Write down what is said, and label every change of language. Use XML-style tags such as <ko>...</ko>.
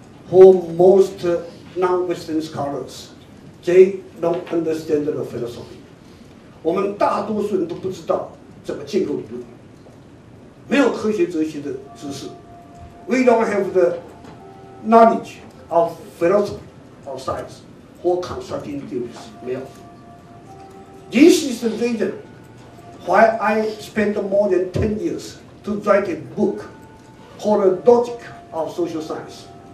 <en>For most non-Western scholars, they don't understand the philosophy.</en> <zh>我们大多数人都不知道怎么建构理论，没有科学哲学的知识。</zh> <en>We don't have the knowledge of philosophy or science for constructing theories. This is the reason why I spent more than 10 years to write a book called The Logic of Social Science.</en>